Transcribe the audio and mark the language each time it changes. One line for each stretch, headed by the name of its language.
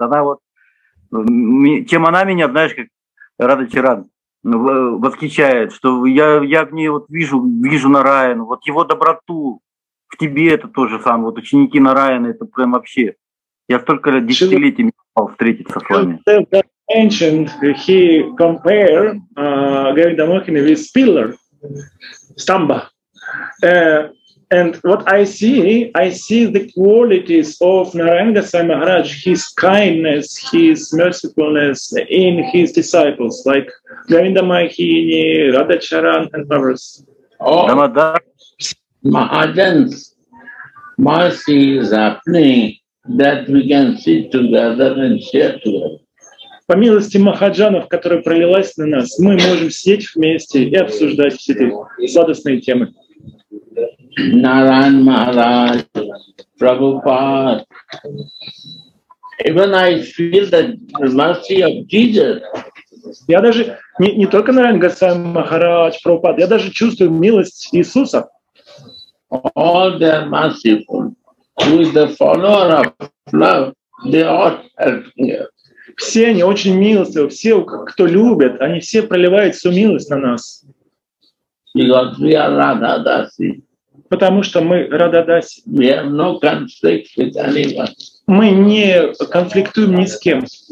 Russian: Она вот, чем она меня, знаешь, как Радхачаран. Восхищает, что я в ней вот вижу Нараяну, вот его доброту в тебе, это то же самое, вот ученики Нараяны, это прям вообще, я столько лет, десятилетий не мог встретиться с вами.
English: Mentioned he compare Govinda Mohini with pillar, stamba, And what I see the qualities of Narayana Maharaj, his kindness, his mercifulness in his disciples, like Govinda Mahini, Radha Charan, and others. Oh, Mahajan's mercy is happening that we can sit together and share together.
Russian: По милости Махаджанов, которая пролилась на нас, мы можем сидеть вместе и обсуждать все эти сладостные темы.
English: Narayan Maharaj, Prabhupada. Even I feel the mercy of Jesus.
Russian: Я даже не только Narayan Goswami Maharaj, Prabhupada, я даже чувствую милость Иисуса.
English: All the merciful, who is the follower of love, they all help me.
Russian: Все они очень милостивы, все, кто любят, они все проливают всю милость на нас.
English: Because we are Radha-dasi.
Russian: Потому что мы Радхадаси.
English: We have no conflict with anyone.
Russian: Мы не конфликтуем ни с кем.